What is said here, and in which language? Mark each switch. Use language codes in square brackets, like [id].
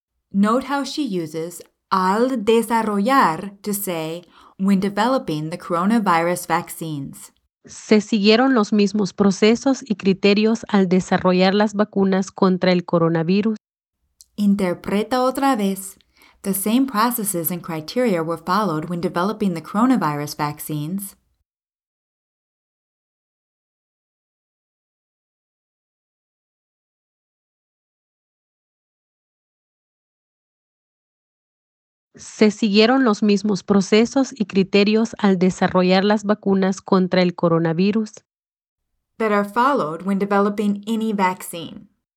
[en] Note how she uses [es] al desarrollar [en] to say when developing the coronavirus vaccines. [es] Se siguieron los mismos procesos y criterios al desarrollar las vacunas contra el coronavirus. Interpreta otra vez. [en] The same processes and criteria were followed when developing the coronavirus vaccines. [es] Se siguieron los mismos procesos y criterios al desarrollar las vacunas contra el coronavirus. [en] That are followed when developing any vaccine.